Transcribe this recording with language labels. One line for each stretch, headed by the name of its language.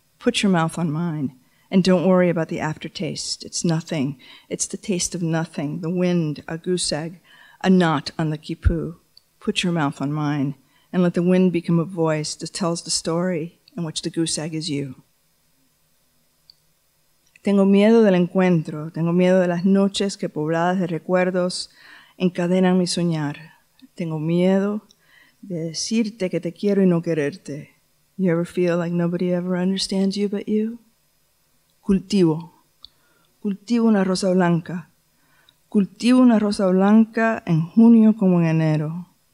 English: Put your mouth on mine. And don't worry about the aftertaste. It's nothing. It's the taste of nothing. The wind, a goose egg, a knot on the quipu. Put your mouth on mine and let the wind become a voice that tells the story in which the goose egg is you.
Spanish: Tengo miedo del encuentro. Tengo miedo de las noches que pobladas de recuerdos encadenan mi soñar. Tengo miedo de decirte que te quiero y no quererte.
English: You ever feel like nobody ever understands you but you?
Spanish: Cultivo, cultivo una rosa blanca, cultivo una rosa blanca en junio como en enero.